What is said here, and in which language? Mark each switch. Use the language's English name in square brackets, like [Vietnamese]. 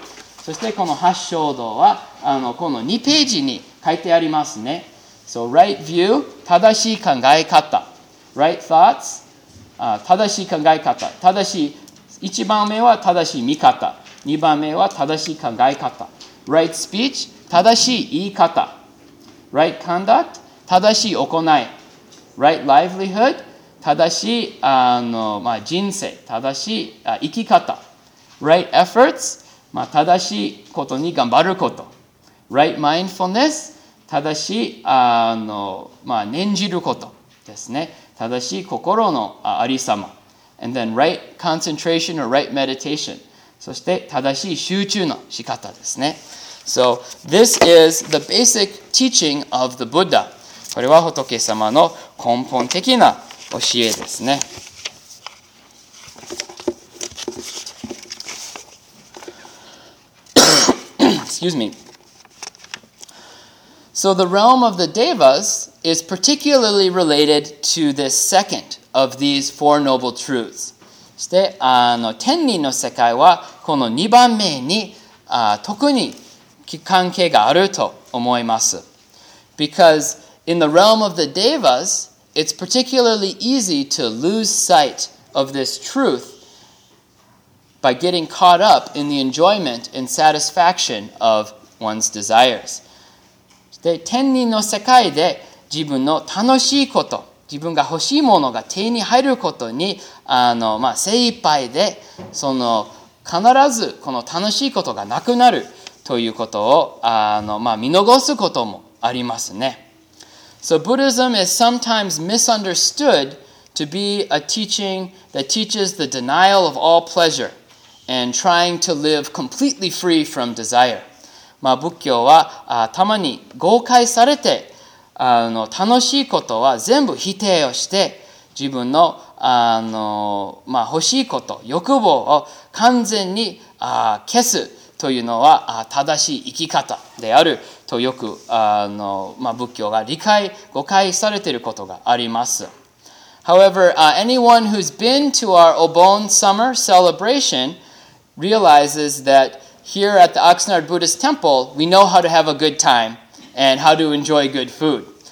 [Japanese] そしてこの八正道はこの2ページに書いてありますね。 [English] So, right view, [Japanese] 正しい考え方。 [English] Right thoughts, [Japanese] 正しい考え方。正しい、1番目は正しい見方。 2番目は正しい考え方。 [English] Right speech, [Japanese] 正しい言い方。 [English] Right conduct, [Japanese] 正しい行い。 [English] Right livelihood, [Japanese] 正しい人生。正しい生き方。 [English] Right efforts, [Japanese] 正しいことに頑張ること。 [English] Right mindfulness, [Japanese] 正しい念じることですね。正しい心のありさま。 [English] And then right concentration or right meditation. [Japanese] そして正しい集中の仕方ですね。 [English] So this is the basic teaching of the Buddha. [Japanese] これは仏様の根本的な教えですね。 [English] Excuse me. So the realm of the devas is particularly related to this second of these four noble truths. [Japanese] そして天人の世界はこの2番目に特に関係があると思います。 [English] Because in the realm of the devas, it's particularly easy to lose sight of this truth. By getting caught up in the enjoyment and satisfaction of one's desires. [Japanese] で、天人の世界で自分の楽しいこと、自分が欲しいものが手に入ることに精一杯で、その必ずこの楽しいことがなくなるということを見逃すこともありますね。 [English] So Buddhism is sometimes misunderstood to be a teaching that teaches the denial of all pleasure. And trying to live completely free from desire. [Japanese] 仏教はたまに誤解されて楽しいことは全部否定をして自分の欲しいこと欲望を完全に消すというのは正しい生き方であるとよく仏教が理解誤解されていることがあります。 [English] However, anyone who's been to our Obon summer celebration. Realizes that here at the Oxnard Buddhist Temple, we know how to have a good time and how to enjoy good food.